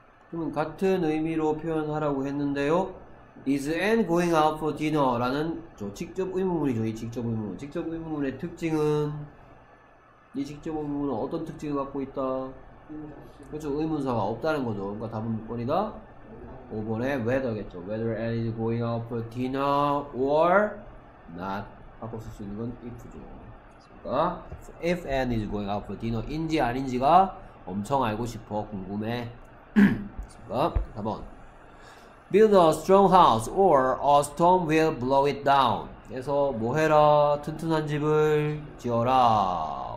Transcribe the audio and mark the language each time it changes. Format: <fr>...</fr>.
<ko>그럼 같은 의미로 표현하라고 했는데요.</ko> <en>Is Anne going out for dinner?</en> <ko>라는 직접 의문문이죠. 이 직접 의문문. 직접 의문문의 특징은 이 직접 의문문은 어떤 특징을 갖고 있다? 그렇죠. 의문사가 없다는 거죠. 그러니까 답은 몇 번이다? 5번에 whether겠죠.</ko> <en>Whether Anne is going out for dinner or not.</en> <ko>바꿔 쓸수 있는 건 if죠. 그러니까</ko> <en>if Anne is going out for dinner인지</en> <ko>아닌지가 엄청 알고 싶어. 궁금해. 그러니까 4번.</ko> <en>Build a strong house or a storm will blow it down.</en> <ko>그래서 뭐 해라? 튼튼한 집을 지어라.</ko>